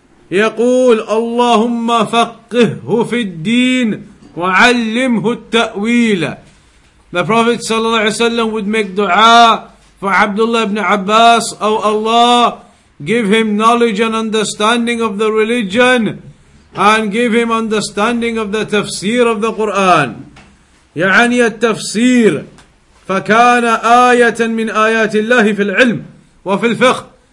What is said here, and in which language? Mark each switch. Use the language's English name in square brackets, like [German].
[Arabic] يقول اللهم فقهه في الدين وعلمه التأويل. [English] The Prophet [Arabic] صلى الله عليه وسلم [English] would make dua for Abdullah ibn Abbas. Oh Allah, give him knowledge and understanding of the religion, and give him understanding of the tafsir of the Qur'an. [Arabic] يعني التفسير فكان آية من آيات الله في العلم وفي الفقه.